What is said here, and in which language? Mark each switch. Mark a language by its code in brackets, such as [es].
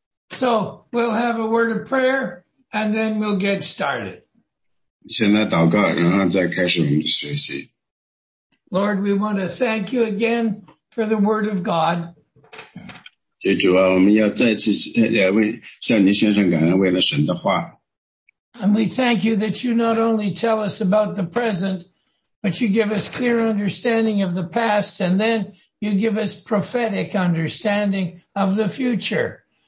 [en] So we'll have a word of prayer and then we'll get started. [zh] 先来祷告, 然后再开始我们的学习。 [en] Lord, we want to thank you again for the word of God. [zh] 也主啊, 我们要再次向您献上感恩为了神的话。 [en] And we thank you that you not only tell us about the present, but you give us clear understanding of the past, and then you give us prophetic understanding of the future.